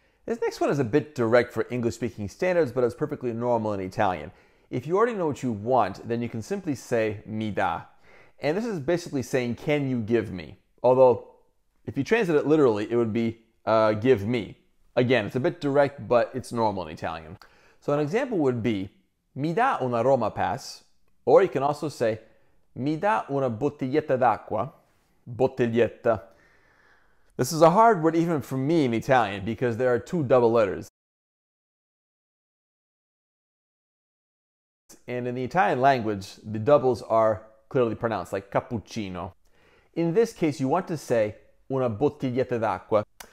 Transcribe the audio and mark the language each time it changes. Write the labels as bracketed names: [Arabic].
[English] This next one is a bit direct for English-speaking standards, but it's perfectly normal in Italian. If you already know what you want, then you can simply say, [Italian] mi da. [English] And this is basically saying, can you give me? Although, if you translate it literally, it would be, give me. Again, it's a bit direct, but it's normal in Italian. So an example would be, [Italian] mi da una Roma pass. [English] Or you can also say, [Italian] mi da una bottiglietta d'acqua. Bottiglietta. [English] This is a hard word even for me in Italian because there are two double letters. And in the Italian language, the doubles are clearly pronounced like cappuccino. In this case, you want to say [Italian] una bottiglietta d'acqua.